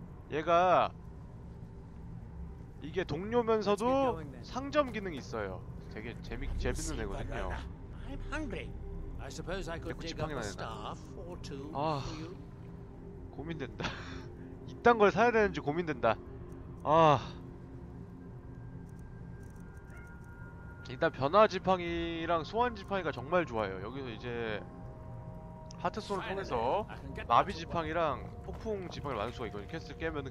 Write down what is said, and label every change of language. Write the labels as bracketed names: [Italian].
[Korean] 얘가 이게 동료면서도 상점 기능이 있어요. 되게 재밌는 애거든요. [English] I'm hungry. I suppose I could dig up a staff or two for you. [Korean] 고민된다. 이딴 걸 사야 되는지 고민된다. 아, 일단 변화 지팡이랑 소환 지팡이가 정말 좋아요. 여기서 이제 하트손을 통해서 마비 지팡이랑 폭풍 지팡이를 만들 수가 있거든요. 퀘스트를 깨면은.